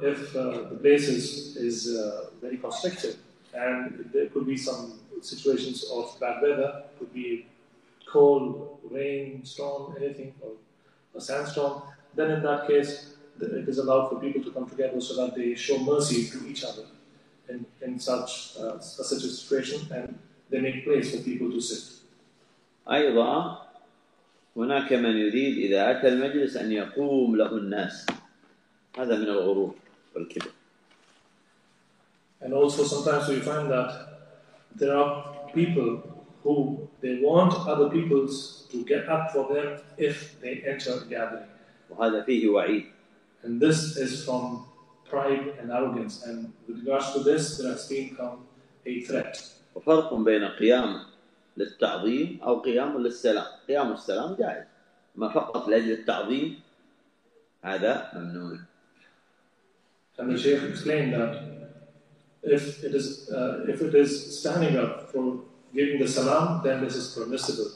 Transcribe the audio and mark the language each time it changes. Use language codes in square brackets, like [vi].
[en] if the place is very constricted and there could be some situations of bad weather, could be cold, rain, storm, anything, or a sandstorm, then in that case, it is allowed for people to come together so that they show mercy to each other in such a situation, and they make place for people to sit. [ar] أيضا هناك من يريد إذا أتى المجلس أن يقوم له الناس. هذا من الغرور والكبر. [en] And also sometimes we find that there are people who they want other people to get up for them if they enter the gathering. [ar] وهذا فيه وعيد. [en] And this is from pride and arrogance. And with regards to this, there has been come a threat. [ar] وفرق بين قيام للتعظيم أو قيام للسلام. قيام السلام جائز. ما فقط لأجل التعظيم هذا ممنوع. [en] And the Sheikh explained that if it is standing up for giving the salam, then this is permissible.